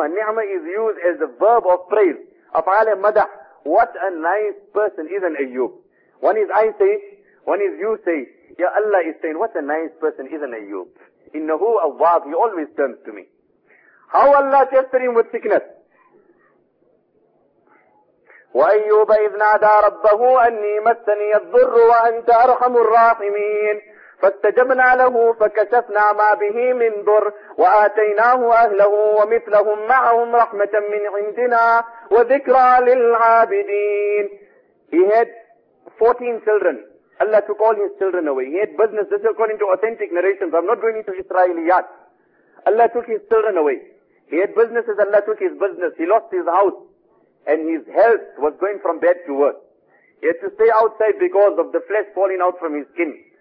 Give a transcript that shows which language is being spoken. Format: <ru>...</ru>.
<en>نِعْمَ is used as a verb of praise. Of عَلَى مَدَح. What a nice person is an Ayyub. One is I say, one is you say. Ya Allah is saying, what a nice person is an Ayyub.</en> <ar>إِنَّهُ أَوَّاب.</ar> <en>He always turns to me. How Allah tested him with sickness.</en> <ar>وأيوب إذ نادى ربه أني مسني الضر وأنت أرحم الراحمين فاستجبنا له فكشفنا ما به من ضر وآتيناه أهله ومثلهم معهم رحمة من عندنا وذكرى للعابدين.</ar> <en>He had 14 children. Allah took all his children away. He had business. This is according to authentic narrations. I'm not going into Israeliyat. Allah took his children away. He had businesses. Allah took his business. He lost his house. And his health was going from bad to worse. He had to stay outside because of the flesh falling out from his skin.</en>